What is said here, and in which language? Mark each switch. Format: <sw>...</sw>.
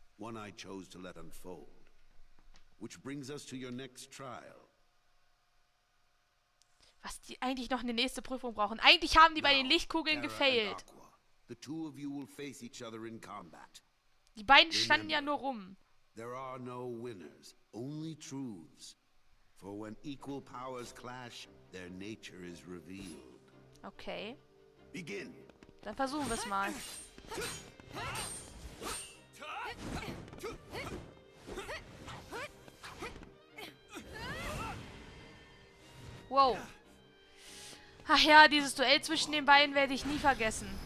<en>One I chose to let unfold. Which brings us to your next trial.</en> <de>Was die eigentlich noch eine nächste Prüfung brauchen. Eigentlich haben die bei den Lichtkugeln gefailt.</de> <en>The two of you will face each other in combat.</en> <de>Die beiden standen ja nur rum.</de> <en>There are no winners, only truths. For when equal powers clash, their nature is revealed. Okay. Begin.</en> <de>Dann versuchen wir es mal. Wow. Ach ja, dieses Duell zwischen den beiden werde ich nie vergessen.</de>